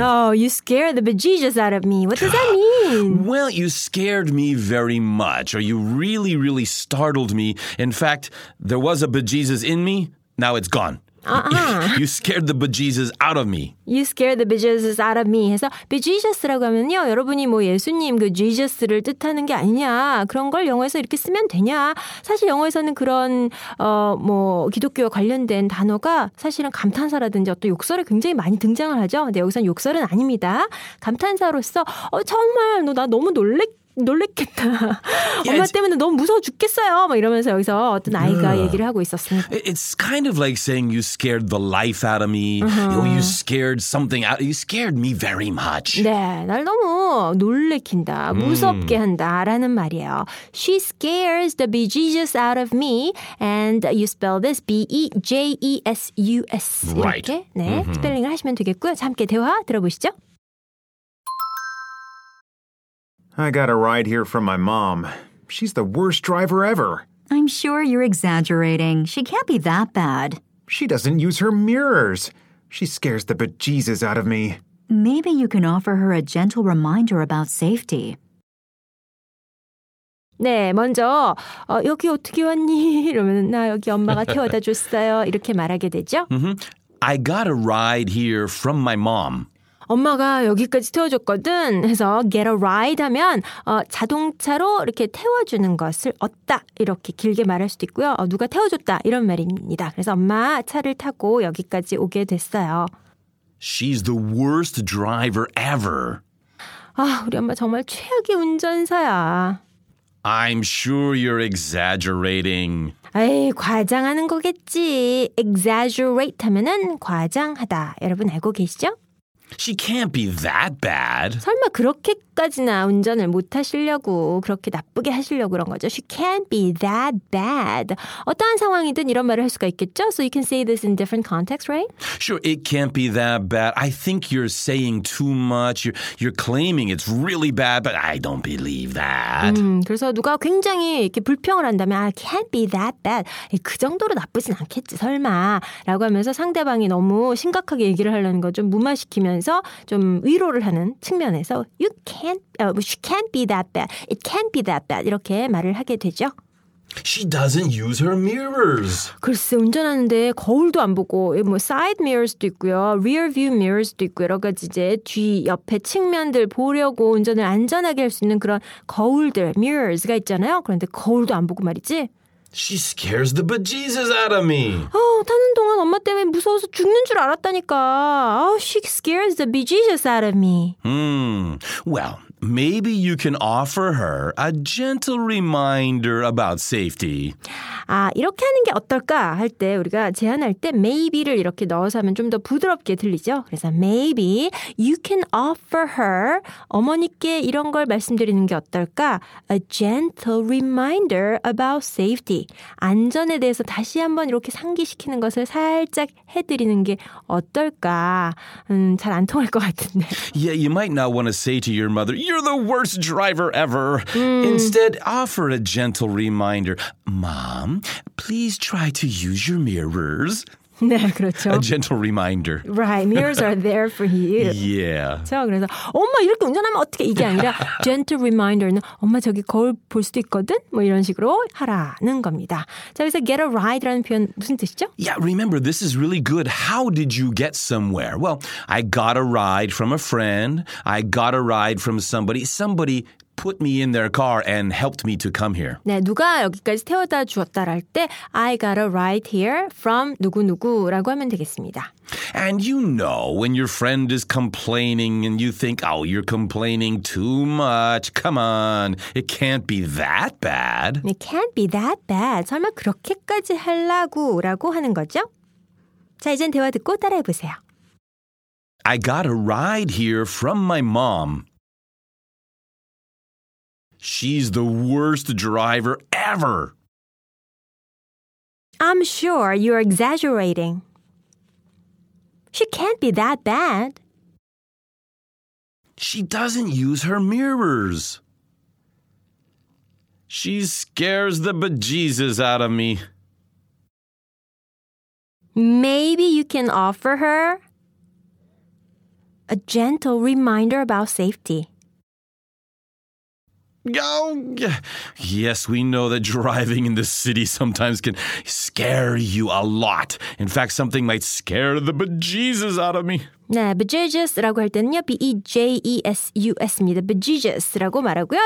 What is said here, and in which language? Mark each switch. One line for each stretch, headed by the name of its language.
English: Oh, you scared the bejesus out of me. What does that mean? Well, you scared me very much. Or you really, really startled me. In fact, there was a bejesus in me. Now it's gone. You scared the bejesus out of me. You scared the bejesus out of me.
Korean: 해서 bejesus라고 하면요, 여러분이 뭐 예수님 그 Jesus를 뜻하는 게 아니냐, 그런 걸 영어에서 이렇게 쓰면 되냐. 사실 영어에서는 그런 뭐 기독교와 관련된 단어가 사실은 감탄사라든지 어떤 욕설에 굉장히 많이 등장을 하죠. 근데 여기서는 욕설은 아닙니다. 감탄사로서 정말 나 너무 놀랬겠다. 엄마 때문에 너무 무서워 죽겠어요. 막 이러면서 여기서 어떤 아이가 얘기를 하고 있었습니다.
English: It's kind of like saying you scared the life out of me. Uh-huh. You scared something out. You scared me very much.
Korean: 네, 날 너무 놀래킨다. 무섭게 한다라는 말이에요.
English: She scares the bejesus out of me. And you spell this B-E-J-E-S-U-S. Right.
Korean: 이렇게 네, 스펠링을 하시면 되겠고요. 함께 대화 들어보시죠.
English: I got a ride here from my mom. She's the worst driver ever. I'm sure you're exaggerating. She can't be that bad. She doesn't use her mirrors. She scares the bejesus out of me. Maybe you can offer her a gentle reminder about safety.
Korean: 네, 먼저 여기 어떻게 왔니? 이러면 나 여기 엄마가 태워다 줬어요. 이렇게 말하게 되죠.
English: I got a ride here from my mom.
Korean: 엄마가 여기까지 태워줬거든 해서 get a ride 하면 자동차로 이렇게 태워주는 것을 얻다 이렇게 길게 말할 수도 있고요. 누가 태워줬다 이런 말입니다. 그래서 엄마 차를 타고 여기까지 오게 됐어요.
English: She's the worst driver ever.
Korean: 아, 우리 엄마 정말 최악의 운전사야.
English: I'm sure you're exaggerating.
Korean: 에이, 과장하는 거겠지. Exaggerate 하면은 과장하다. 여러분 알고 계시죠?
English: She can't be that bad.
Korean: 설마 그렇게까지나 운전을 못 하시려고 그렇게 나쁘게 하시려고 그런 거죠?
English: She can't be that bad.
Korean: 어떠한 상황이든 이런 말을 할 수가 있겠죠?
English: So you can say this in different contexts, right? Sure, it can't be that bad. I think you're saying too much. You're claiming it's really bad, but I don't believe that.
Korean: 그래서 누가 굉장히 이렇게 불평을 한다면
English: I can't be that bad.
Korean: 그 정도로 나쁘진 않겠지, 설마. 라고 하면서 상대방이 너무 심각하게 얘기를 하려는 거 좀 무마시키면 좀 위로를 하는 측면에서
English: you can't, she can't be that bad. It can't be that bad.
Korean: 이렇게 말을 하게 되죠.
English: She doesn't use her mirrors.
Korean: 글쎄, 운전하는데 거울도 안 보고 뭐 side mirrors도 있고요. rear view mirrors도 있고 여러 가지 이제 뒤 옆에 측면들 보려고 운전을 안전하게 할 수 있는 그런 거울들, mirrors가 있잖아요. 그런데 거울도 안 보고 말이지.
English: She scares the bejesus out of me.
Korean: 타는 동안 엄마 때문에 무서워서 죽는 줄 알았다니까.
English: She scares the bejesus out of me. Well, maybe you can offer her a gentle reminder about safety.
Korean: 아, 이렇게 하는 게 어떨까 할 때 우리가 제안할 때 maybe를 이렇게 넣어서 하면 좀 더 부드럽게 들리죠. 그래서
English: maybe you can offer her
Korean: 어머니께 이런 걸 말씀드리는 게 어떨까?
English: A gentle reminder about safety.
Korean: 안전에 대해서 다시 한번 이렇게 상기시키는 것을 살짝 해드리는 게 어떨까? 잘 안 통할 것 같은데.
English: Yeah, you might not want to say to your mother, you're the worst driver ever. Instead, offer a gentle reminder. Mom, please try to use your mirrors.
Korean: 네, 그렇죠.
English: A gentle reminder. Right, mirrors are there for you. Yeah.
Korean: 자, 그래서 엄마 이렇게 운전하면 어떻게 이게 아니라 gentle reminder는 엄마 저기 거울 볼 수도 있거든? 뭐 이런 식으로 하라는 겁니다. 자, 그래서 get a ride라는 표현 무슨 뜻이죠?
English: Yeah, remember, this is really good. How did you get somewhere? Well, I got a ride from a friend. I got a ride from somebody. Somebody put me in their car and helped me to come here.
Korean: 네, 누가 여기까지 태워다 주었다랄 때
English: I got a ride here from
Korean: 누구누구라고 하면 되겠습니다.
English: And you know when your friend is complaining and you think, oh, you're complaining too much. Come on, it can't be that bad. It can't be that bad.
Korean: 설마 그렇게까지 하려고라고 하는 거죠? 자, 이제 대화 듣고 따라해 보세요.
English: I got a ride here from my mom. She's the worst driver ever. I'm sure you're exaggerating. She can't be that bad. She doesn't use her mirrors. She scares the bejesus out of me. Maybe you can offer her a gentle reminder about safety. Oh, yes, we know that driving in the city sometimes can scare you a lot. In fact, something might scare the bejesus out of me.
Korean: 네, bejesus라고 할 때는요, bejesus입니다. bejesus라고 말하고요.